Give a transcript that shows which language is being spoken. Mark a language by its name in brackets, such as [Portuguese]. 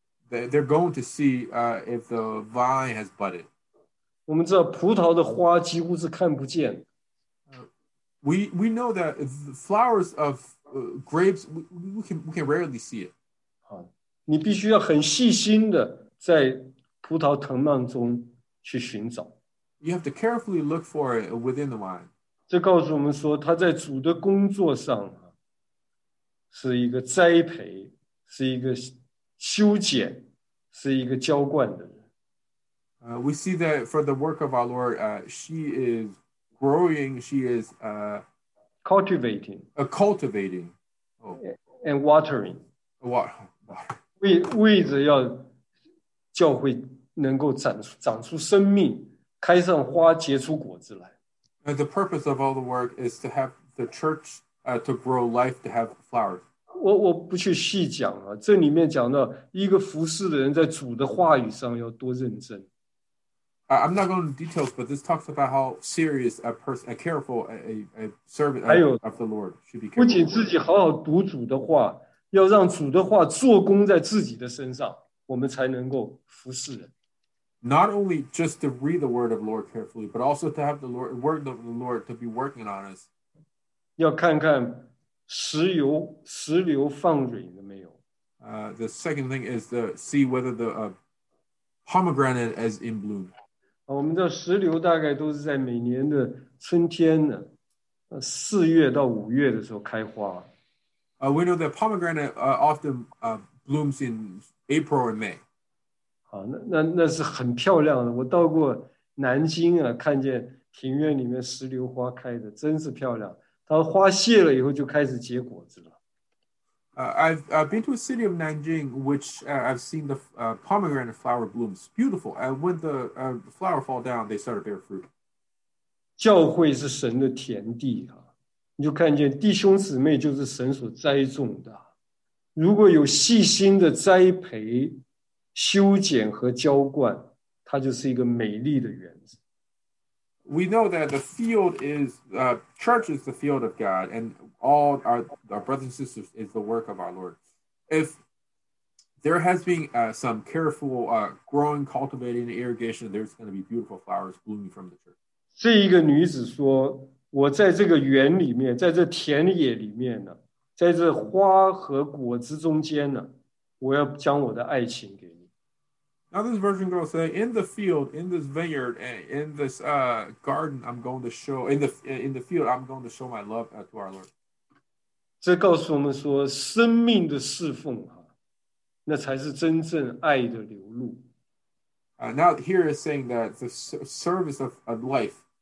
[English] They're going to see if the vine has budded. [Chinese] 我们知道葡萄的花几乎是看不见。 [English] We know that the flowers of grapes, we can rarely see it. [Chinese] 你必须要很细心的在葡萄藤蔓中去寻找。 [English] You have to carefully look for it within the vine. [Chinese] 这告诉我们说他在主的工作上是一个栽培, 是一个修剪是一个浇灌的人。 [English] We see that for the work of our Lord, she is growing, she is cultivating. Cultivating. Oh. And watering. Water. [Chinese] 为着要教会能够长出生命，开上花，结出果子来。 [English] And the purpose of all the work is to have the church to grow life, to have flowers. [Chinese] 我不去细讲了，这里面讲到一个服事的人在主的话语上要多认真。 [English] I'm not going into details, but this talks about how serious a person, a careful, a servant of the Lord should be careful. [Chinese] 不仅自己好好读主的话，要让主的话做工在自己的身上，我们才能够服事人。 [English] Not only just to read the word of the Lord carefully, but also to have the Lord, word of the Lord to be working on us. [Chinese] 要看看石榴放蕊了没有。 [English] The second thing is to see whether the pomegranate is in bloom. [Chinese] 我们的石榴大概都是在每年的春天的四月到五月的时候开花。 We know that pomegranate often blooms in April and May. 那是很漂亮的。我到过南京啊，看见庭院里面石榴花开的，真是漂亮。它花谢了以后就开始结果子了。 [English] I've been to a city of Nanjing which I've seen the pomegranate flower blooms. Beautiful. And when the flower fall down, they start to bear fruit. [Chinese] 教会是神的田地啊，你就看见弟兄姊妹就是神所栽种的。如果有细心的栽培、修剪和浇灌，它就是一个美丽的园子。 [English] We know that the field is, church is the field of God, and all our brothers and sisters is the work of our Lord. If there has been some careful growing, cultivating, irrigation, there's going to be beautiful flowers blooming from the church. [Chinese] 这一个女子说，我在这个园里面，在这田野里面呢，在这花和果子中间呢，我要将我的爱情给你。 [English] Now this virgin girl said, in the field, in this vineyard, in this garden, I'm going to show, in the field, I'm going to show my love to our Lord. [Chinese] 这告诉我们说，生命的侍奉啊，那才是真正爱的流露。 [English] Now here is saying that the service of life,